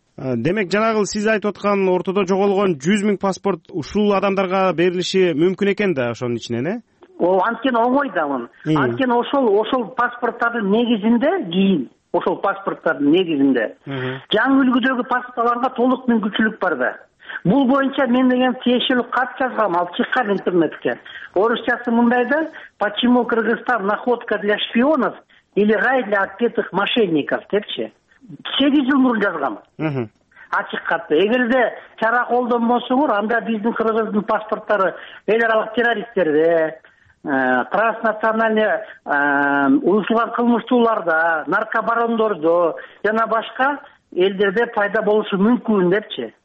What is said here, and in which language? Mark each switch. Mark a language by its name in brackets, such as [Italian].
[Kyrgyz] Демек жанагы сиз айтып аткан ортодо жоголгон 100,000 паспорт ушул адамдарга берилиши мүмкүн экен да ошонун ичинен э? Ол анткени оңой да анын. Анткени ошол паспорттордун негизинде кийин ошол паспорттордун негизинде жаңы үлгүдөгү паспортторго толук мүмкүнчүлүк бар да. Бул боюнча мен деген тиешелүү кат жазгам, ал чыккан интернетке. Орусчасы мындай да: [Russian] почему Кыргызстан находка для шпионов или рай для отпетых мошенников [Kyrgyz] депчи. 8 жыл мурун жазгам. Ачык катты. Эгерде чара колдонбосоңор анда биздин кыргыздын паспорттору эл аралык террористтерде, транснациональный уюшкан кылмыштууларда, наркобарондордо жана башка элдерде пайда болушу мүмкүн депчи.